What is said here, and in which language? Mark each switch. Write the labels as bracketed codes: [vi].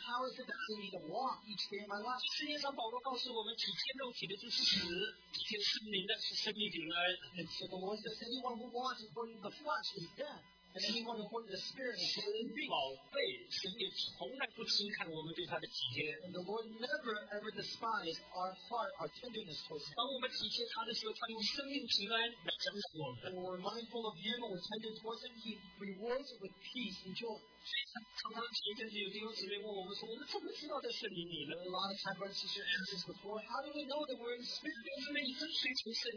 [en] how is it that I need to walk each day in my life? [zh] 世界上保罗告诉我们，体贴肉体的就是死，体贴圣灵的是生命平安。 [en] And so the Lord says, anyone who walks according to the flesh is dead, and anyone who walks according to the Spirit is alive. And the Lord never ever despises our heart, our tenderness towards Him. And when we're mindful of Him and we're tender towards Him, He rewards it with peace and joy. [zh] 常常前一阵子有弟兄姊妹问我们说，我们怎么知道在圣灵里呢？ [en] How do we know that we're in spirit?